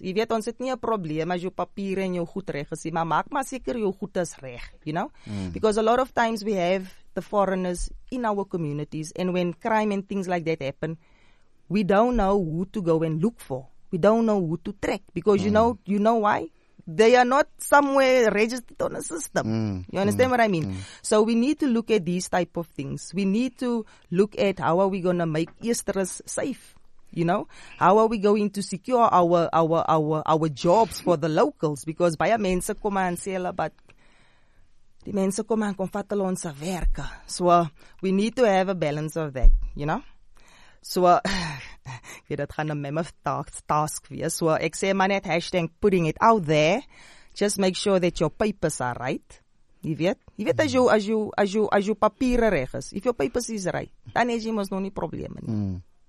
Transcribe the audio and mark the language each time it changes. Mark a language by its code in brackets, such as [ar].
[af] Jy weet, ons het nie een probleem as jou papier en jou goed reg is, maar maak maar seker jou goed is reg, [en] you know. Mm. Because a lot of times we have the foreigners in our communities, and when crime and things like that happen, we don't know who to go and look for. We don't know who to track because you know why? They are not somewhere registered on a system. You understand what I mean? So we need to look at these type of things. We need to look at how are we going to make Easter safe, you know? How are we going to secure our jobs for the locals? [af] Because baie mense kom aan sê hulle, but die mense kom aan kom vat hulle ons werk. [en] So we need to have a balance of that, you know? [af] So, ek weet, dit gaan een [en] mammoth task [af] wees. So, ek sê maar net [en] hashtag putting it out there. Just make sure that your papers are right. [af] Jy weet, as jou papieren reg is, [en] if your papers is right, [af] dan het jy ons nog nie probleme nie.